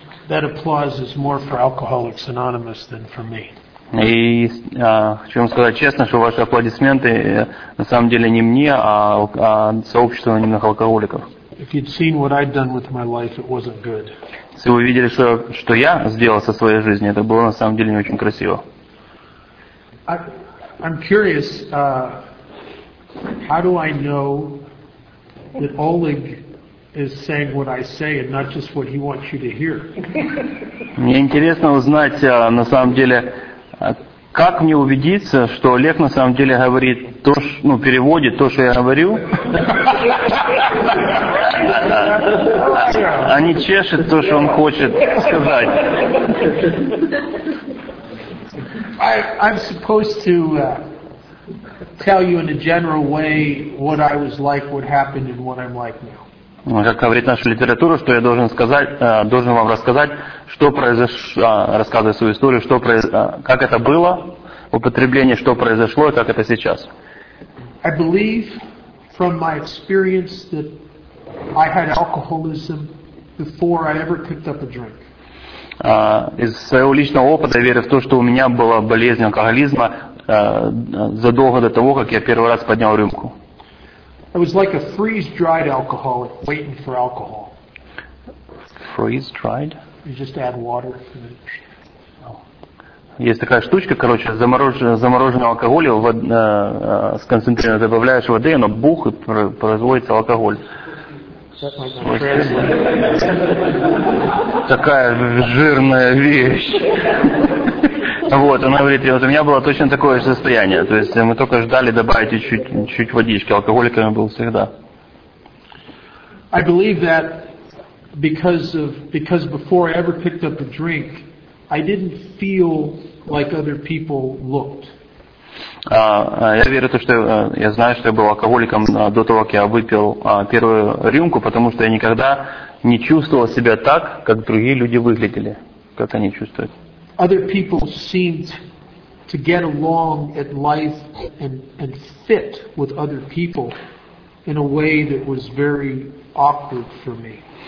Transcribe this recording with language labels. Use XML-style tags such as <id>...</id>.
<en>That applause is more for Alcoholics Anonymous than for me.</en> <ru>И хочу вам сказать честно, что ваши аплодисменты на самом деле не мне, а сообществу анонимных алкоголиков. Если вы видели, что я сделал со своей жизнью, это было на самом деле не очень красиво.</ru> <en>I'm curious, how do I know that Oleg is saying what I say and not just what he wants you to hear?</en> <ru>Мне интересно узнать, на самом деле, как мне убедиться, что Олег на самом деле говорит то, что, ну, переводит то, что я говорю, а не чешет то, что он хочет сказать?</ru> <en>I'm supposed to tell you in a general way what I was like, what happened, and what I'm like now.</en> <ru>Как говорит наша литература, что я должен сказать, должен вам рассказать, что произошло, рассказывая свою историю, как это было, употребление, что произошло и как это сейчас.</ru> <en>I believe from my experience that I had alcoholism before I ever picked up a drink.</en> <ru>Из своего личного опыта я верю в то, что у меня была болезнь алкоголизма задолго до того, как я первый раз поднял рюмку.</ru> <en>I was like a freeze-dried alcoholic waiting for alcohol. Freeze-dried? You just add water.</en> <ru>Есть такая штучка, короче, замороженный алкоголь, сконцентрированно добавляешь воды, оно бух и производится алкоголь. Такая жирная вещь. Вот, она говорит, вот у меня было точно такое же состояние. То есть мы только ждали добавить чуть-чуть водички. Алкоголиком я был всегда.</ru> <en>I believe that because before I ever picked up a drink, I didn't feel like other people looked.</en> <ru>Я верю в то, что я знаю, что я был алкоголиком до того, как я выпил первую рюмку, потому что я никогда не чувствовал себя так, как другие люди выглядели, как они чувствуют.</ru> <en>Other people seemed to get along at life and fit with other people in a way that was very awkward for me.</en>